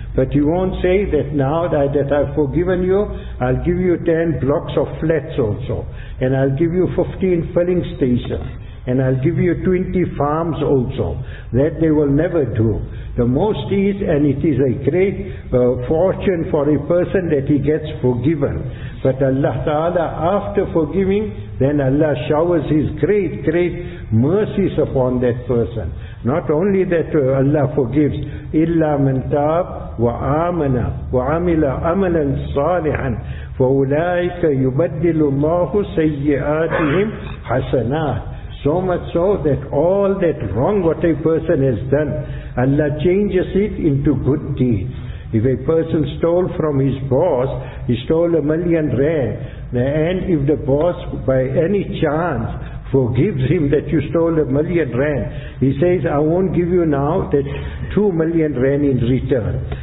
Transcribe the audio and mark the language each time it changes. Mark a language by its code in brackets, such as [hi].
[en] But he won't say that now that I've forgiven you, I'll give you 10 blocks of flats also, and I'll give you 15 filling stations, and I'll give you 20 farms also. That they will never do. The most is, and it is a great fortune for a person that he gets forgiven. But Allah Ta'ala, after forgiving, then Allah showers His great, great mercies upon that person. Not only that Allah forgives, [ar] إِلَّا مَنْ تَابْ وَآمَنَا وَعَمِلَ عَمَلًا صَالِحًا فَأُولَٰئِكَ يُبَدِّلُ اللَّهُ سَيِّئَاتِهِمْ حَسَنَاتٍ. [en] So much so that all that wrong what a person has done, Allah changes it into good deeds. If a person stole from his boss, he stole a million rand, and if the boss by any chance forgives him that you stole a million rand, he says, I won't give you now that 2 million rand in return.